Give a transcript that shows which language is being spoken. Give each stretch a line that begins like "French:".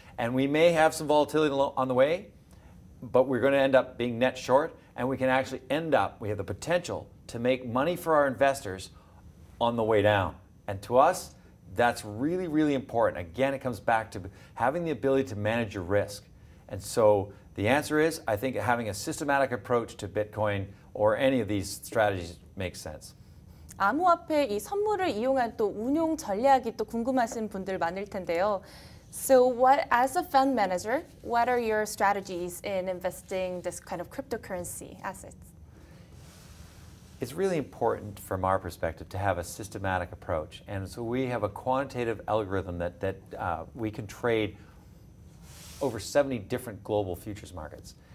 English: And we may have some volatility on the way, but we're going to end up being net short, and we can actually end up, we have the potential to make money for our investors on the way down. And to us, that's really, really important. Again, it comes back to having the ability to manage your risk. And so the answer is, I think having a systematic approach to Bitcoin or any of these strategies makes sense.
Korean: 암호화폐 이 선물을 이용한 또 운용 전략이 또 궁금하신 분들 많을 텐데요.
English: So what, as a fund manager, what are your strategies in investing this kind of cryptocurrency assets? It's really important from our perspective to have a systematic approach. And so we have a quantitative algorithm that we can trade over 70 different global futures markets.